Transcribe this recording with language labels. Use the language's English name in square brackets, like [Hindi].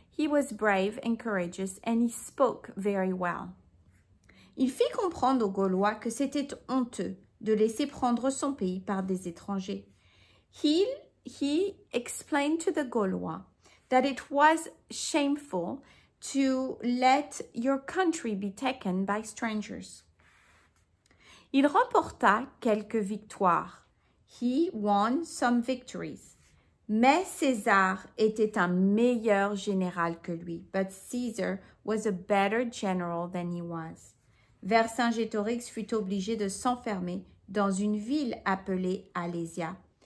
[English] He was brave and courageous and he spoke very well. [French] Il fit comprendre aux Gaulois que c'était honteux de laisser prendre son pays par des étrangers. [English] He explained to the Gaulois that it was shameful to let your country be taken by strangers. [French] Il remporta quelques victoires. [English] He won some victories. [French] Mais César était un meilleur général que lui. [English] But Caesar was a better general than he was. [French] Vercingétorix fut obligé de s'enfermer dans une ville appelée Alésia.